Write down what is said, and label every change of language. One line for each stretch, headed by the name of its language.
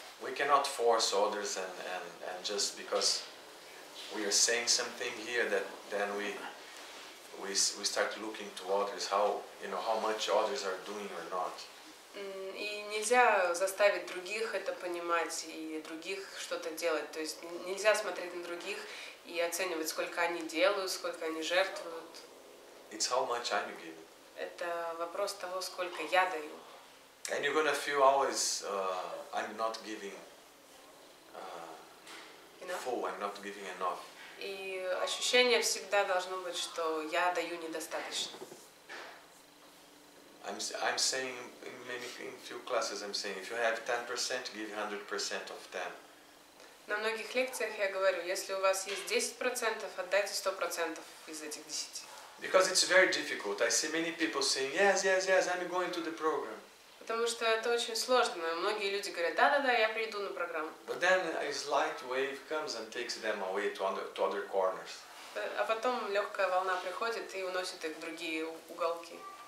English: We cannot force others and just because we are saying something here that then we start looking to others how you know how much others are doing or not.
Russian: И нельзя заставить других это понимать и других что-то делать. То есть нельзя смотреть на других и оценивать, сколько они делают, сколько они жертвуют.
English: It's how much I'm giving.
Russian: Это вопрос того, сколько я даю.
English: And you're gonna feel always I'm not giving full, I'm not giving enough.
Russian: И ощущение всегда должно быть, что я даю недостаточно.
English: I'm saying in many in few classes I'm saying if you have 10%, give 100% of 10.
Russian: На многих лекциях я говорю, если у вас есть 10%, отдайте 100% из этих 10.
English: Because it's very difficult. I see many people saying yes, I'm going to the program.
Russian: Потому что это очень сложно. Многие люди говорят: да, я приду на программу.
English: But then a slight wave comes and takes them away to other corners.
Russian: А потом легкая волна приходит и уносит их в другие уголки.